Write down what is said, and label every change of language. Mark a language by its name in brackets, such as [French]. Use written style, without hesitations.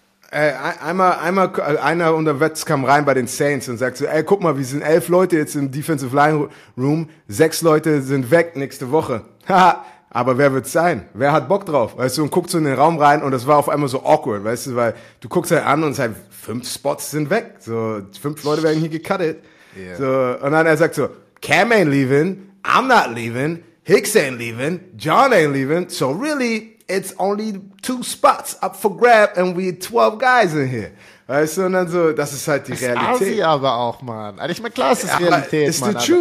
[German] Einer unter Wets kam rein bei den Saints und sagt so, ey, guck mal, wir sind 11 Leute jetzt im Defensive Line Room. 6 Leute sind weg nächste Woche. Haha. Aber wer wird's sein? Wer hat Bock drauf? Weißt du, und guckst so in den Raum rein und das war auf einmal so awkward, weißt du, weil du guckst halt an und es halt 5 Spots sind weg. So, 5 Leute werden hier gecuttet. Yeah. So, und dann er sagt so, [English] Cam ain't leaving, I'm not leaving, Hicks ain't leaving, John ain't leaving, so really, it's only 2 spots up for grab and we 12 guys in here. [German] Weißt du, und dann so, das ist halt die Realität. Das ist Asi aber auch, Mann. Also ich meine, klar, es ist Realität, Mann.